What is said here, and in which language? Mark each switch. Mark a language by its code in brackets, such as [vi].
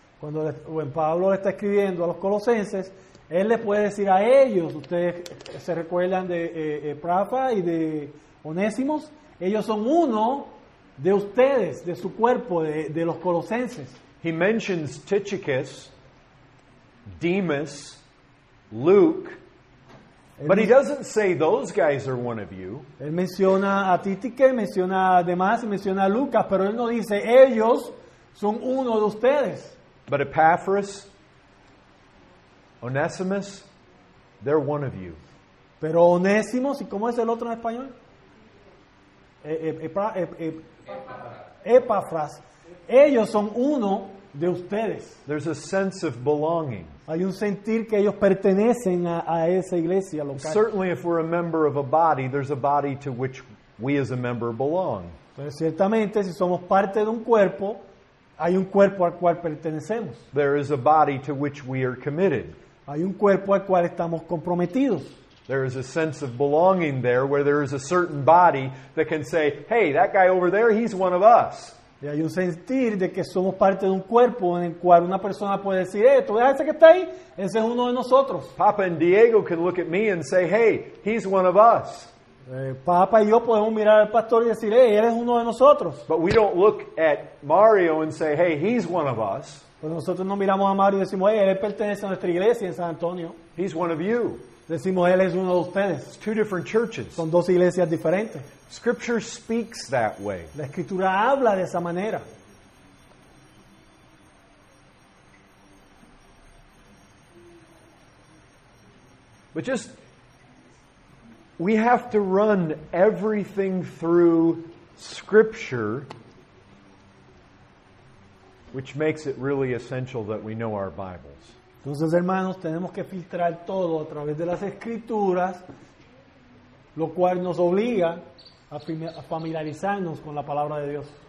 [es] Cuando Pablo le está escribiendo a los colosenses, él le puede decir a ellos, ustedes se recuerdan de Prafa y de Onésimos, ellos son uno de ustedes, de su cuerpo, de los colosenses. [en] He mentions Tychicus, Demas, Luke, but he doesn't say those guys are one of you. [es] Él menciona a Tychicus, menciona a Demas, menciona a Lucas, pero él no dice ellos son uno de ustedes. [en] But Epaphras, Onesimus, they're one of you. [es] Pero Onésimos, ¿y cómo es el otro en español? Epaphras. Ellos son uno de ustedes. [en] There's a sense of belonging. [es] Hay un sentir que ellos pertenecen a esa iglesia local. [en] Certainly if we're a member of a body, there's a body to which we as a member belong. [es] Entonces, ciertamente, si somos parte de un cuerpo, hay un cuerpo al cual pertenecemos. [en] There is a body to which we are committed. [es] Hay un cuerpo al cual estamos comprometidos. [en] There is a sense of belonging there where there is a certain body that can say, hey, that guy over there, he's one of us. [es] Y hay un sentir de que somos parte de un cuerpo en el cual una persona puede decir, hey, tú ves a ese que está ahí, ese es uno de nosotros. [en] Papa and Diego can look at me and say, hey, he's one of us. [es] Papa y yo podemos mirar al pastor y decir, hey, él es uno de nosotros. [en] But we don't look at Mario and say, hey, he's one of us. [es] Pues nosotros nos miramos a Mario y decimos, hey, él pertenece a nuestra iglesia en San Antonio. [en] He's one of you. [es] Decimos, él es uno de ustedes. [en] It's two different churches. [es] Son dos iglesias diferentes. [en] Scripture speaks that way. [es] La escritura habla de esa manera. [en] But just, we have to run everything through Scripture, which makes it really essential that we know our Bibles. [es] Entonces, hermanos, tenemos que filtrar todo a través de las Escrituras, lo cual nos obliga a familiarizarnos con la Palabra de Dios.